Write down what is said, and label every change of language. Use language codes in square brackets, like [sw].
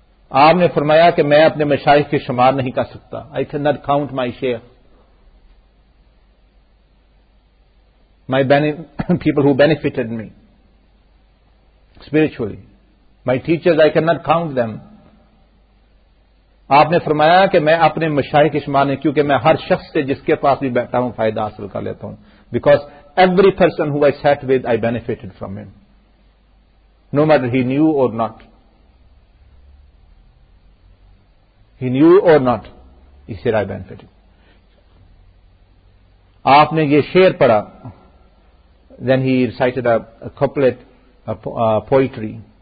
[ur] آپ نے فرمایا کہ میں اپنے مشائخ کے شمار نہیں کر سکتا. [en] I cannot count my شیخ, my people who benefited me spiritually, my teachers, I cannot count them. [ur] آپ نے فرمایا کہ میں اپنے مشائخ کے شمار نہیں, کیونکہ میں ہر شخص سے جس کے پاس بھی بیٹھا ہوں فائدہ حاصل کر لیتا ہوں. [en] Because every person who I sat with, I benefited from him. No matter he knew or not. He knew or not. He said, I benefited. [ur] Aapne ye sher padha. [en] Then he recited a couplet, a poetry.